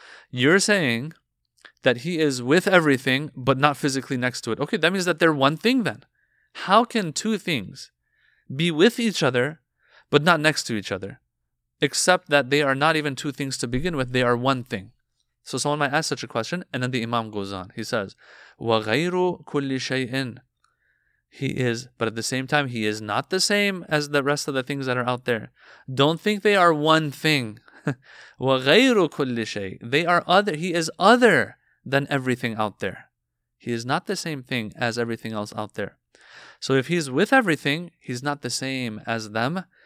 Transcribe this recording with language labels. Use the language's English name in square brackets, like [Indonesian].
[English] You're saying that He is with everything, but not physically next to it. Okay, that means that they're one thing then. How can two things be with each other, but not next to each other? Except that they are not even two things to begin with, they are one thing. So someone might ask such a question, and then the imam goes on. He says, [Arabic] وَغَيْرُ كُلِّ شَيْءٍ. [English] He is, but at the same time, he is not the same as the rest of the things that are out there. Don't think they are one thing. [Arabic] وَغَيْرُ كُلِّ شَيْءٍ. [English] They are other, he is other than everything out there. He is not the same thing as everything else out there. So if he's with everything, he's not the same as them.